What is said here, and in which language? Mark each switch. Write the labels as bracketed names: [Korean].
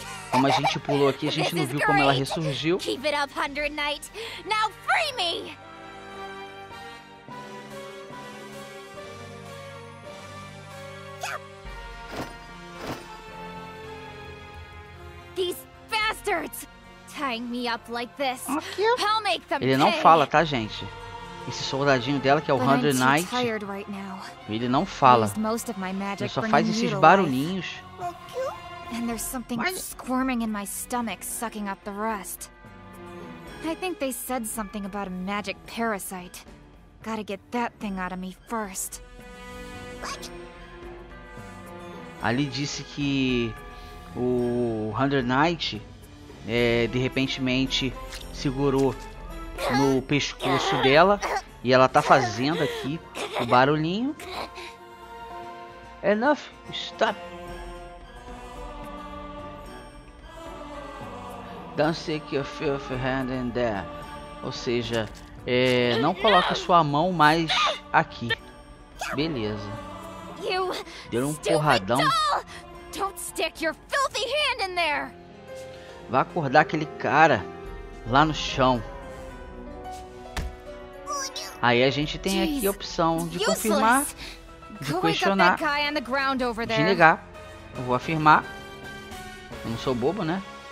[Portuguese] Como a gente pulou aqui, a gente não viu como ela ressurgiu. [English] Keep it up, Hundred Knight. Now free me. These bastards tying me up like this. I'll make them pay. [Portuguese] Ele não fala, tá, gente? Esse soldadinho dela, que é o Hundred Knight, ele não fala. Ele só faz esses barulhinhos. [English] And there's something squirming in my stomach, sucking up the rust. I think they said something about a magic parasite. Gotta get that thing out of me first. What? [Portuguese] Ali disse que o Hunter Knight de repentemente segurou no pescoço dela e ela tá fazendo aqui o barulhinho. [English] Enough, stop. Don't stick your filthy hand in there. [Portuguese] Ou seja, não coloque sua mão mais aqui. Beleza. Deu um porradão. [English] Don't stick your filthy hand in there. [Portuguese] Vai acordar aquele cara lá no chão. Aí a gente tem aqui a opção de confirmar, de questionar, de negar. Eu vou afirmar. Eu não sou bobo, né?